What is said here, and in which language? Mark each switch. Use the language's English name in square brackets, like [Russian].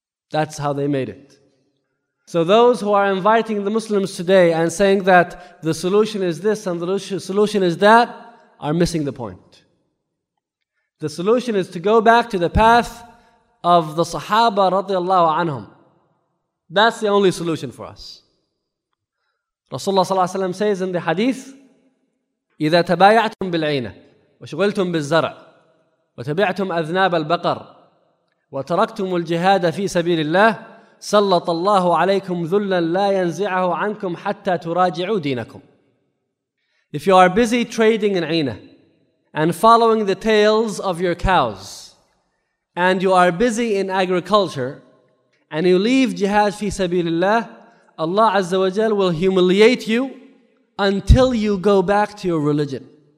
[English] That's how they made it. So those who are inviting the Muslims today and saying that the solution is this and the solution is that are missing the point. The solution is to go back to the path of the Sahaba radiallahu anhum. That's the only solution for us. Rasulullah sallallahu alaihi wasallam says in the hadith, [Arabic] إذا تبايعتم بالعينة وشغلتم بالزرع وتبعتم أذناب البقر وتركتم الجهاد في سبيل الله سلط الله عليكم ذلا لا ينزعه عنكم حتى تراجعوا دينكم. [English] If you are busy trading in عينة and following the tails of your cows and you are busy in agriculture and you leave jihad في سبيل الله, Allah عز وجل will humiliate you until you go back to your religion.